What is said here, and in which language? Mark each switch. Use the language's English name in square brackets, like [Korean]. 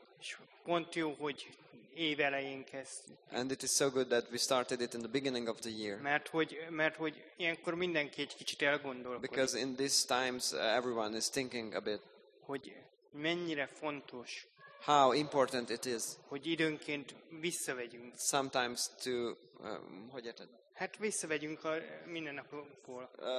[Hungarian] És pont jó, hogy év elején kezdtük. [English] And it is so good that we started it in the beginning of the year. [Hungarian] Mert hogy ilyenkor mindenki egy kicsit elgondolkodik. [English] Because in these times everyone is thinking a bit. [Hungarian] Hogy mennyire fontos. [English] How important it is. [Hungarian] Hogy időnként visszavegyünk. [English] Sometimes to [Hungarian] hogy érted? Hát visszavegyünk a mindennapokból.